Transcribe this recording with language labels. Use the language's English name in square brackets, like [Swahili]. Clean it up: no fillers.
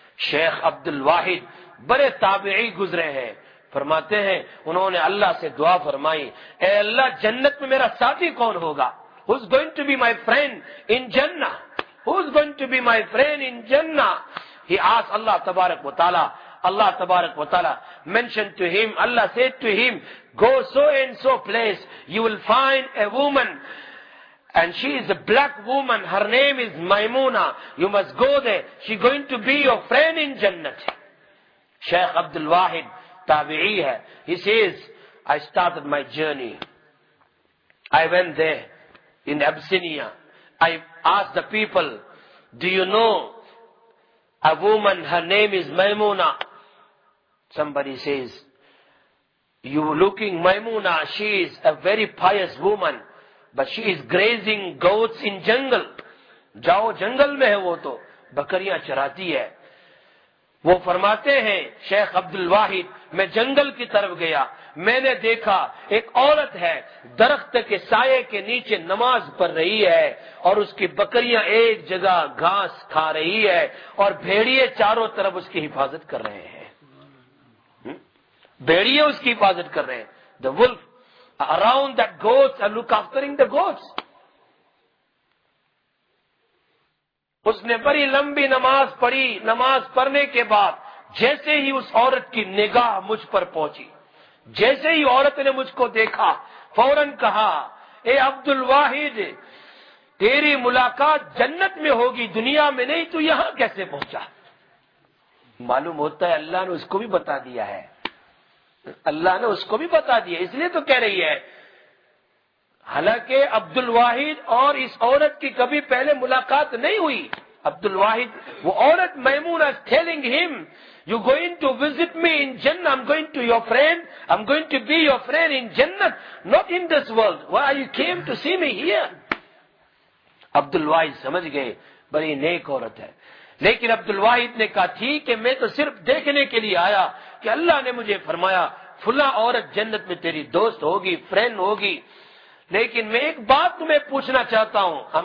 [Urdu] شیخ عبد الواحد بڑے تابعی گزرے ہیں, فرماتے ہیں انہوں نے اللہ سے دعا فرمائی, اے اللہ جنت میں میرا ساتھی کون ہوگا, [English] who's going to be my friend in Jannah, [Urdu] who's going to be my friend in Jannah. [English] He asked Allah تبارک و تعالی, Allah تبارک و تعالی mentioned to him, Allah said to him, go so and so place, you will find a woman and she is a black woman, her name is Maimuna, you must go there, she going to be your friend in Jannah. Shaykh Abdul Wahid [Urdu] تابعی ہے. [English] He says, I started my journey. I went there in Abyssinia. I asked the people, do you know a woman, her name is Maimuna? Somebody says, you looking Maimuna, she is a very pious woman, but she is grazing goats in jungle. [Urdu] جاؤ جنگل میں ہے وہ تو بکریاں چراتی ہے. وہ فرماتے ہیں شیخ عبد الواحد, میں جنگل کی طرف گیا, میں نے دیکھا ایک عورت ہے درخت کے سائے کے نیچے نماز پڑھ رہی ہے اور اس کی بکریاں ایک جگہ گھاس کھا رہی ہے اور بھیڑیے چاروں طرف اس کی حفاظت کر رہے ہیں, بھیڑیے اس کی حفاظت کر رہے ہیں. [English] The wolf around that goats are look afterin the goats. [Urdu] اس نے بڑی لمبی نماز پڑھی, نماز پڑھنے کے بعد جیسے ہی اس عورت کی نگاہ مجھ پر پہنچی, جیسے ہی عورت نے مجھ کو دیکھا فوراً کہا, اے عبد الواحد تیری ملاقات جنت میں ہوگی, دنیا میں نہیں, تو یہاں کیسے پہنچا؟ معلوم ہوتا ہے اللہ نے اس کو بھی بتا دیا ہے, اللہ نے اس کو بھی بتا دیا, اس لیے تو کہہ رہی ہے. حالانکہ عبد الواحد اور اس عورت کی کبھی پہلے ملاقات نہیں ہوئی. [English] Abdul Wahid, [Urdu] وہ عورت [English] Maimuna is telling him, you going to visit me in Jannah, I'm going to your friend, I'm going to be your friend in Jannah, not in this world, why you came to see me here. [Urdu] Abdul Wahid سمجھ گئے بڑی نیک عورت ہے, لیکن عبد الواحد نے کہا ٹھیک ہے میں تو صرف دیکھنے کے لیے آیا کہ اللہ نے مجھے فرمایا فلاں عورت جنت میں تیری دوست ہوگی, فرینڈ ہوگی, لیکن میں ایک بات تمہیں پوچھنا چاہتا ہوں.